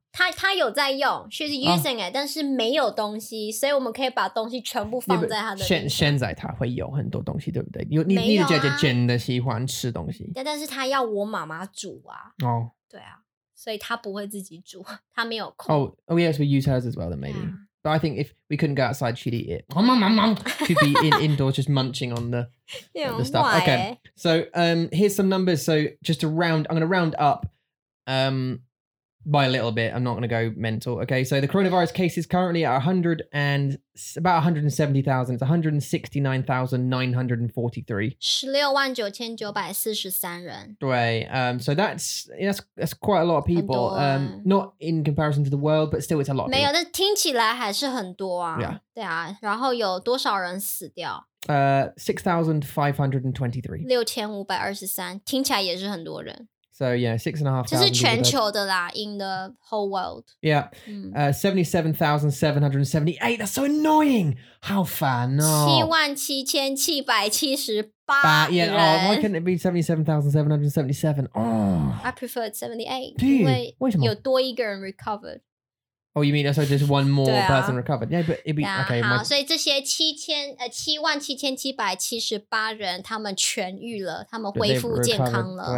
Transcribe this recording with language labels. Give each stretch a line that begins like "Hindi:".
Chinese: 她有在用
English: She's using it.
Chinese: 但是没有东西所以我们可以把东西全部放在她的冰箱。现在她会有很多东西对不对 你的姐姐真的喜欢吃东西。但是她要我妈妈煮啊。哦。对啊。所以她不会自己煮。她没有空。
English: Oh, yes, we use hers as well then maybe. Yeah. But I think if we couldn't go outside, she'd eat it. She'd be indoors just munching on the stuff. Okay. So here's some numbers. So just to round, I'm going to round up by a little bit. I'm not going to go mental. Okay. So the coronavirus case is currently at about 170,000. It's 169,943. 169,943. Right. So that's quite a lot of people. Not in comparison to the world, but still it's a lot.
Chinese: 没有, 但听起来还是很多啊。
English: Yeah.
Chinese: 然后有多少人死掉? 6,523. 6,523. 听起来也是很多人。
English: So yeah, 6,500. This is worldwide, in the whole world. Yeah, 77,778. That's so annoying. How far? No. 77,778. Yeah. Oh, why couldn't it be 77,777? Oh. I preferred 78. Why?
Chinese: 有多一个人
English: recovered. Oh, you mean so just one more person recovered? Yeah, but it'd be okay.
Chinese: 77,778人，他们痊愈了，他们恢复健康了。
English: Oh,